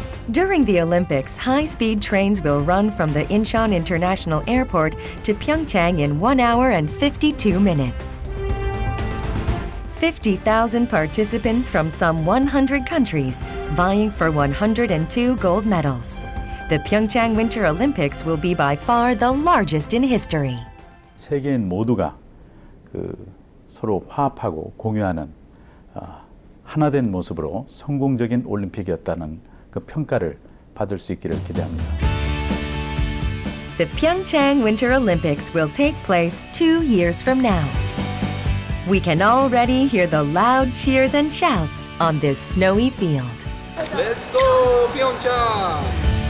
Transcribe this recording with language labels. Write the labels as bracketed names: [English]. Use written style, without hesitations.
[English] During the Olympics, high-speed trains will run from the Incheon International Airport to Pyeongchang in 1 hour and 52 minutes. 50,000 participants from some 100 countries vying for 102 gold medals. The Pyeongchang Winter Olympics will be by far the largest in history. [Korean] 세계인 모두가 그 서로 화합하고 공유하는 하나된 모습으로 성공적인 올림픽이었다는 그 평가를 받을 수 있기를 기대합니다. [English] The Pyeongchang Winter Olympics will take place 2 years from now. We can already hear the loud cheers and shouts on this snowy field. Let's go, Pyeongchang!